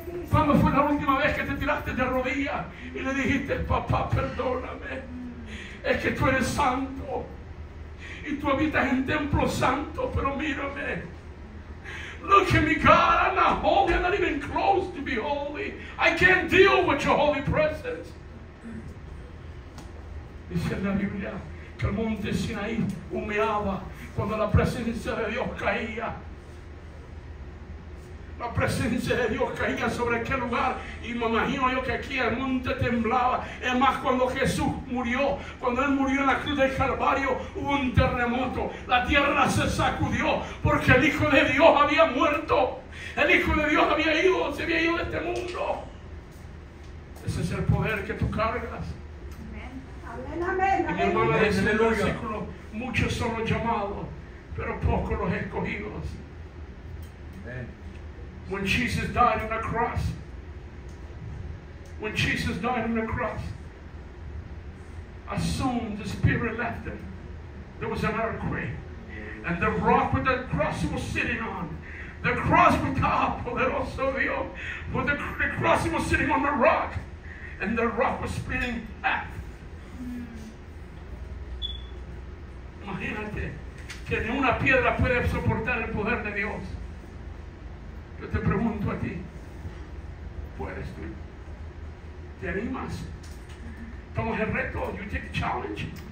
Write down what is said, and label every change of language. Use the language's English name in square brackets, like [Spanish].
[Spanish] ¿Cuándo fue la última vez que te tiraste de rodillas y le dijiste: papá, perdóname? Es que tú eres santo y tú habitas en templo santo, pero mírame. [English] Look at me, God, I'm not holy, I'm not even close to be holy. I can't deal with your holy presence. [Spanish] Dice la Biblia que el monte Sinaí humeaba cuando la presencia de Dios caía. La presencia de Dios caía sobre aquel lugar. Y me imagino yo que aquí el monte temblaba. Es más, cuando Jesús murió, cuando Él murió en la cruz del Calvario, hubo un terremoto. La tierra se sacudió porque el Hijo de Dios había muerto. El Hijo de Dios se había ido de este mundo. Ese es el poder que tú cargas. Amén, amén, amén. Y mi hermana dice en el versículo: muchos son los llamados, pero pocos los escogidos. [English] Amen. When Jesus died on the cross, as soon as the Spirit left him, there was an earthquake. And the rock with that cross was sitting on, the cross was top, [Spanish] poderoso Dios, [English] but the cross was sitting on the rock, and the rock was splitting half. [Spanish] Imagínate que ni una piedra puede soportar el poder de Dios. Yo te pregunto a ti, ¿puedes tú? ¿Te animas? ¿Tomas el reto? [English] You take the challenge.